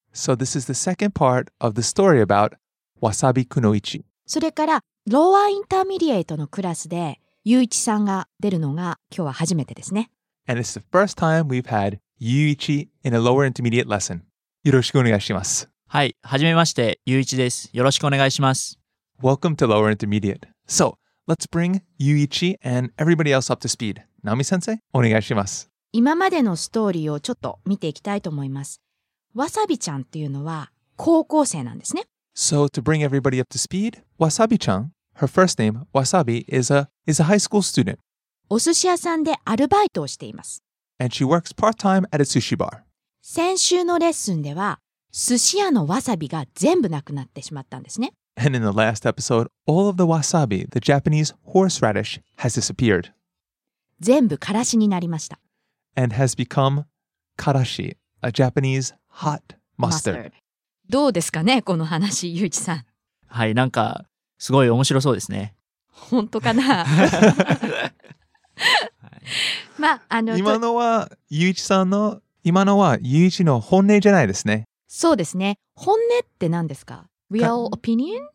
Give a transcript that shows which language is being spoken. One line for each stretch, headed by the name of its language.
English: So this is the second part of the story about Wasabi Kunoichi.
Japanese: それから、Lower Intermediate のクラスで、ユイチさんが出るのが今日は初めてですね。
English: And it's the first time we've had Yuichi in a lower intermediate lesson.
Japanese: よろしくお願いします。はい、はじめまして、Yuichi です。よろしくお願いします。
English: Welcome to lower intermediate. So, let's bring Yuichi and everybody else up to speed.
Japanese: Naomi-sensei, お願いします。今までのストーリーをちょっと見ていきたいと思います。 Wasabi-chan っていうのは高校生なんですね。
English: So, to bring everybody up to speed, Wasabi-chan, her first name, Wasabi, is a high school student.
Japanese: お寿司屋さんでアルバイトをしています。
English: And she works part-time at a sushi bar.
Japanese: 先週のレッスンでは、寿司屋のわさびが全部なくなってしまったんですね。
English: And in the last episode, all of the wasabi, the Japanese horseradish, has disappeared.
Japanese: 全部からしになりました。
English: And has become karashi, a Japanese hot mustard.
Japanese: どうですかね、この話、ゆういちさん。はい、なんか、すごい面白そうですね。本当かな？まあ、今のはゆういちさんの今のはゆういちの本音じゃないですね。そうですね。本音って何ですか？ Real opinion?